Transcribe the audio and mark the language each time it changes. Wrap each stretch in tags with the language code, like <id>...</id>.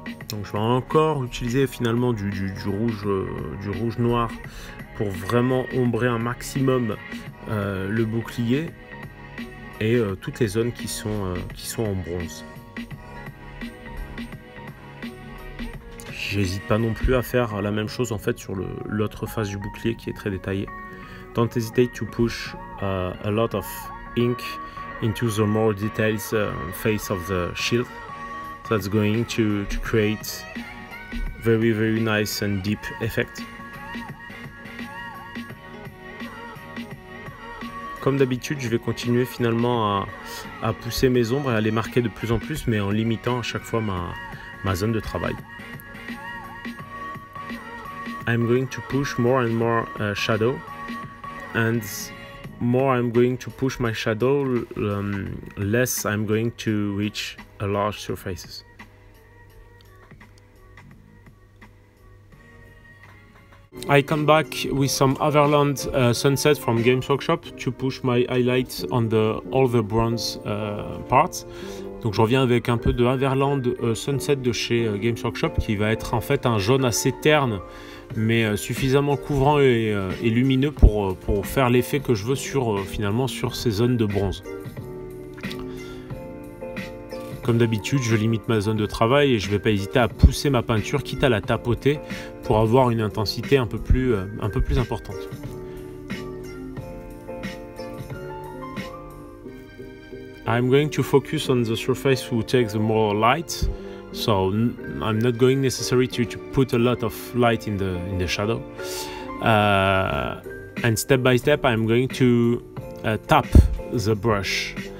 <fr>Donc je vais encore utiliser finalement du rouge noir pour vraiment ombrer un maximum le bouclier et toutes les zones qui sont en bronze. J'hésite pas non plus à faire la même chose en fait sur l'autre face du bouclier qui est très détaillée.</fr> <en>Don't hesitate to push a lot of ink into the more detailed face of the shield. That's going to create very very nice and deep effect.</en> <fr>Comme d'habitude, je vais continuer finalement à pousser mes ombres et à les marquer de plus en plus, mais en limitant à chaque fois ma zone de travail.</fr> <en>I'm going to push more and more shadow. And more I'm going to push my shadow, less I'm going to reach a large surfaces. I come back with some Averland Sunset from Games Workshop to push my highlights on all the bronze parts.</en> <fr>Donc je reviens avec un peu de Averland Sunset de chez Games Workshop, qui va être en fait un jaune assez terne, mais suffisamment couvrant et lumineux pour faire l'effet que je veux sur ces zones de bronze. Comme d'habitude, je limite ma zone de travail et je ne vais pas hésiter à pousser ma peinture, quitte à la tapoter, pour avoir une intensité un peu plus importante.</fr> <en>I'm going to focus on the surface who takes more light. So I'm not going necessary to put a lot of light in the shadow. And step by step, I'm going to tap the brush.</en>